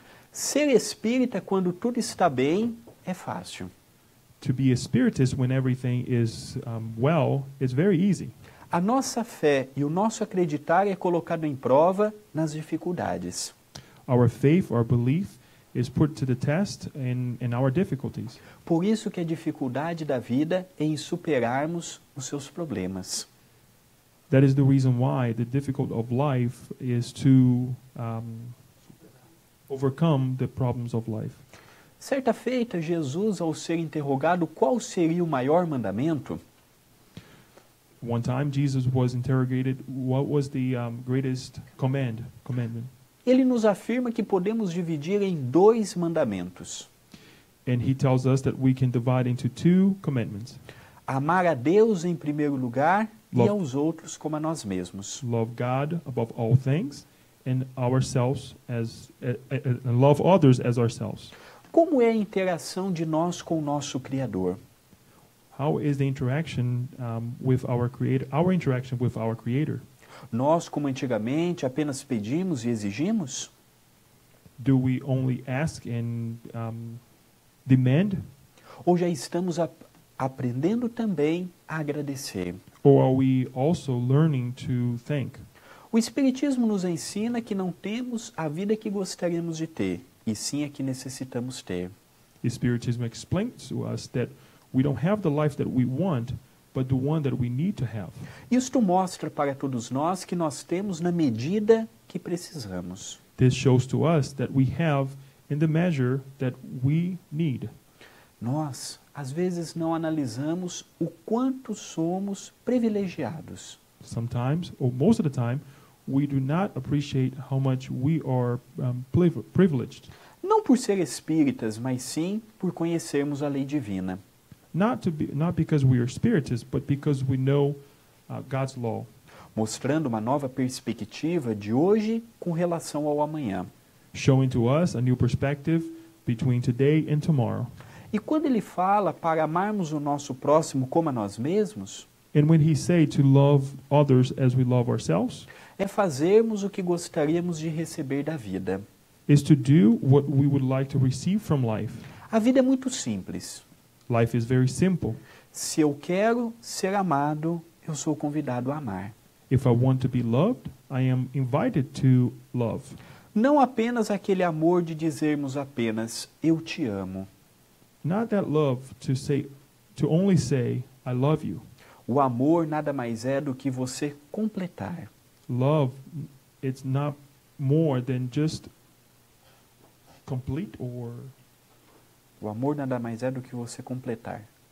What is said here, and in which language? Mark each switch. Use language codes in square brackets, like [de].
[pt] Ser espírita quando tudo está bem é fácil. [en] To be a spiritist when everything is well is very easy. [pt] A nossa fé e o nosso acreditar é colocado em prova nas dificuldades. [en] Our faith, our belief is put to the test in our difficulties. [pt] Por isso que a dificuldade da vida é em superarmos os seus problemas. [en] That is the reason why the difficulty of life is to overcome the problems of life. [pt] Certa feita, Jesus, ao ser interrogado qual seria o maior mandamento, [en] one time Jesus was interrogated what was the greatest commandment. [pt] Ele nos afirma que podemos dividir em dois mandamentos. [en] And he tells us that we can divide into two commandments. [pt] Amar a Deus em primeiro lugar e aos outros como a nós mesmos. [en] Love God above all things and ourselves as and love others as ourselves. [pt] Como é a interação de nós com o nosso Criador? [en] How is the interaction with our Creator? Our interaction with our Creator? [pt] Nós, como antigamente, apenas pedimos e exigimos? [en] Do we only ask and demand? [pt] Ou já estamos aprendendo também a agradecer? [en] Or are we also learning to thank? [pt] O Espiritismo nos ensina que não temos a vida que gostaríamos de ter, e sim a que necessitamos ter. [en] The Spiritism explains to us that we don't have the life that we want, but the one that we need to have. [pt] Isto mostra para todos nós que nós temos na medida que precisamos. [en] This shows to us that we have in the measure that we need. [pt] Nós, às vezes, não analisamos o quanto somos privilegiados. [en] Sometimes, or most of the time, we do not appreciate how much we are privileged. [pt] Não por ser espíritas, mas sim por conhecermos a lei divina. [en] Not because we are spiritists, but because we know God's law. [pt] Mostrando uma nova perspectiva de hoje com relação ao amanhã. [en] Showing to us a new perspective between today and tomorrow. [pt] E quando ele fala para amarmos o nosso próximo como a nós mesmos, [en] and when he say to love others as we love ourselves, [pt] é fazermos o que gostaríamos de receber da vida. [en] Is to do what we would like to receive from life. [pt] A vida é muito simples. [en] Life is very simple. [pt] Se eu quero ser amado, eu sou convidado a amar. [en] If I want to be loved, I am invited to love. [pt] Não apenas aquele amor de dizermos apenas eu te amo. [en] Not that love to only say I love you. [pt] O amor nada mais é do que você completar. [en] Love, it's not more than just complete or. [pt] O amor nada mais é do que você completar.